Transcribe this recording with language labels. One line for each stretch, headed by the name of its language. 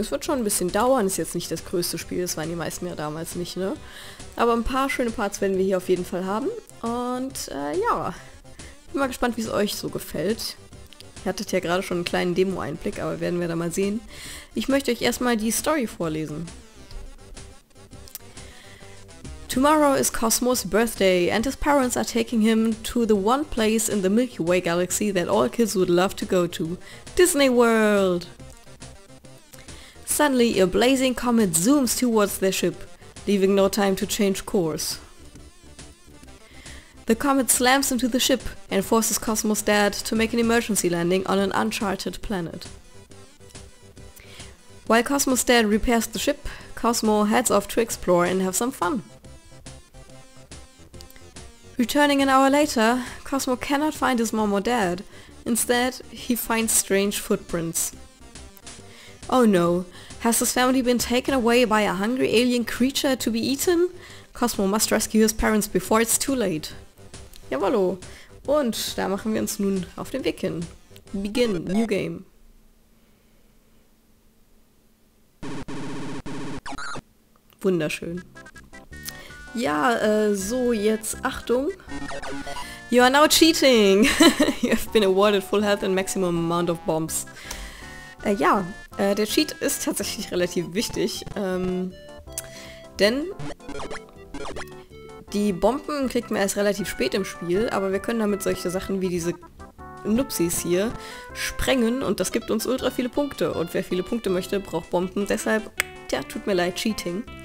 German: Es wird schon ein bisschen dauern, ist jetzt nicht das größte Spiel, das waren die meisten ja damals nicht, ne? Aber ein paar schöne Parts werden wir hier auf jeden Fall haben. Und ja, bin mal gespannt, wie es euch so gefällt. Ihr hattet ja gerade schon einen kleinen Demo-Einblick, aber werden wir da mal sehen. Ich möchte euch erstmal die Story vorlesen.
English: Tomorrow is Cosmos' birthday, and his parents are taking him to the one place in the Milky Way galaxy that all kids would love to go to, Disney World! Suddenly, a blazing comet zooms towards their ship, leaving no time to change course. The comet slams into the ship and forces Cosmos' dad to make an emergency landing on an uncharted planet. While Cosmos' dad repairs the ship, Cosmo heads off to explore and have some fun. Returning an hour later, Cosmo cannot find his mom or dad. Instead, he finds strange footprints. Oh no, has his family been taken away by a hungry alien creature to be eaten? Cosmo must rescue his parents before it's too late.
German: Jawollo! Und da machen wir uns nun auf den Weg hin.
English: Begin, new game.
German: Wunderschön. Ja, so jetzt Achtung.
English: You are now cheating! You have been awarded full health and maximum amount of bombs.
German: Der Cheat ist tatsächlich relativ wichtig. Denn die Bomben kriegt man erst relativ spät im Spiel, aber wir können damit solche Sachen wie diese Nupsis hier sprengen und das gibt uns ultra viele Punkte. Und wer viele Punkte möchte, braucht Bomben. Deshalb, ja, tut mir leid, Cheating.